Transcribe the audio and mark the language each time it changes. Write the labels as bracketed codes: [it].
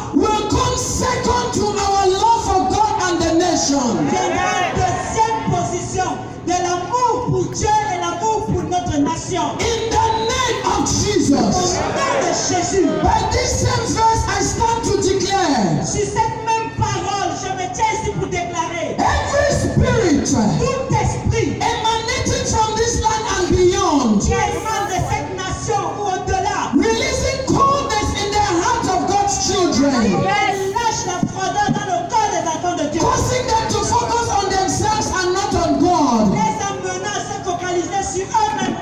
[en] Will come second to our love for God and the nation. [fr] Viendra en deuxième position de l'amour pour Dieu et l'amour pour notre nation. [en] In the name of Jesus. [fr] Au nom de Jésus. [en] By this same verse I stand to declare. [fr] Sur cette même parole, je me tiens ici pour déclarer. [en] Every spirit. [fr] Tout esprit. [en] Emanating from this land and beyond. [fr] Qui émane de cette nation ou au-delà. [en] Releasing coldness in the heart of God's children. [fr] Lâche la froideur dans le cœur des enfants de Dieu. [en] Causing them to focus on themselves and not on God. [fr] Les amenant à se focaliser sur eux-mêmes.